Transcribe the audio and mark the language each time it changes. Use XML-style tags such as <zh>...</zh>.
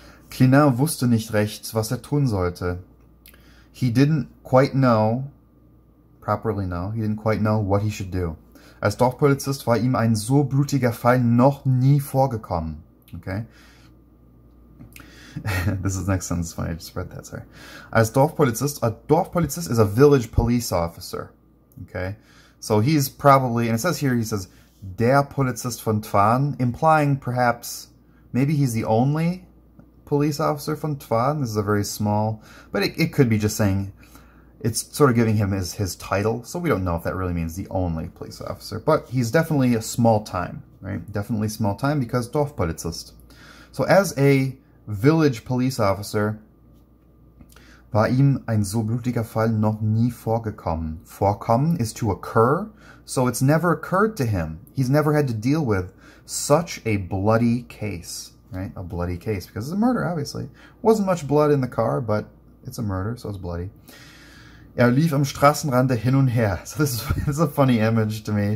<de>Klinau wusste nicht recht, was er tun sollte.</de> <en>He didn't quite know, properly know, he didn't quite know what he should do.</en> <de>Als Dorfpolizist war ihm ein so blutiger Fall noch nie vorgekommen.</de> <en>Okay? This is next sentence when I just read that, sorry. As Dorfpolizist is a village police officer. Okay? So he's probably, and it says here, he says,</en> <de>der Polizist von Twan,</de> <en>implying perhaps, maybe he's the only police officer from Twan. This is a very small, but it could be just saying, it's sort of giving him his title, so we don't know if that really means the only police officer, but he's definitely a small time, right? Definitely small time because Dorfpolizist. So as a village police officer,</en> <de>war ihm ein so blutiger Fall noch nie vorgekommen.</de> <en>Vorkommen is to occur, so it's never occurred to him. He's never had to deal with such a bloody case. Right, a bloody case because it's a murder, obviously. Wasn't much blood in the car, but it's a murder, so it's bloody.</en> <de>Er lief am Straßenrande hin und her.</de> <en>So this is a funny image to me.</en>